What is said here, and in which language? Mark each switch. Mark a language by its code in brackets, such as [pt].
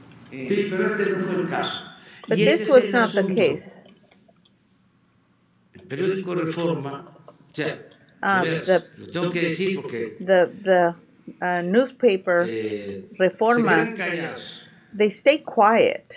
[es] Sí, pero este no fue el caso. [en] But this was not the case. [es] El periódico Reforma, o sea, lo tengo que decir porque [en] newspaper Reforma, they stay quiet